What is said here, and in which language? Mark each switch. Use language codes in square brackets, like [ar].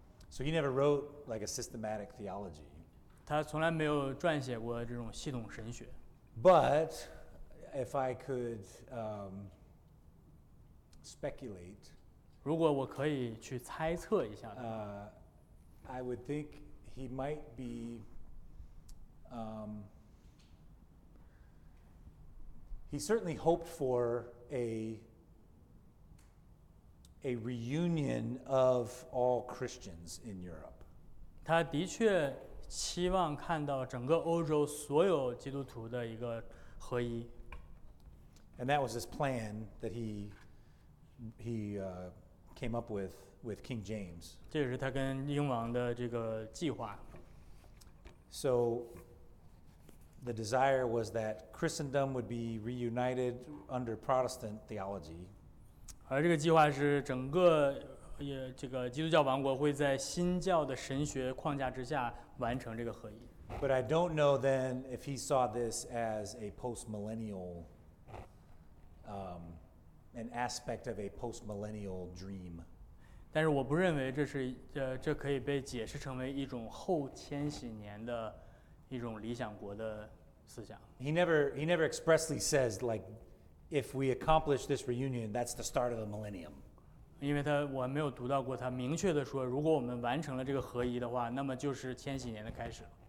[en] So he never wrote like a systematic theology. [zh] 他从来没有撰写过这种系统神学。 [en] But if I could speculate, [zh] 如果我可以去猜测一下， [en] I would think he might be he certainly hoped for a reunion of all Christians in Europe. [zh] 他的确希望看到整个欧洲所有基督徒的一个合一。 [en] And that was his plan that he came up with King James. [zh] 这也是他跟英王的这个计划。 [en] So the desire was that Christendom would be reunited under Protestant theology. [zh] 而这个计划是整个这个基督教王国会在新教的神学框架之下完成这个合一。 [en] But I don't know then if he saw this as a post-millennial, an aspect of a post-millennial dream. [zh] 但是我不认为这是这可以被解释成为一种后千禧年的一种理想国的思想。 [en] He never expressly says like, if we accomplish this reunion, that's the start of the millennium. [zh] 因为他我没有读到过他明确的说，如果我们完成了这个合一的话，那么就是千禧年的开始。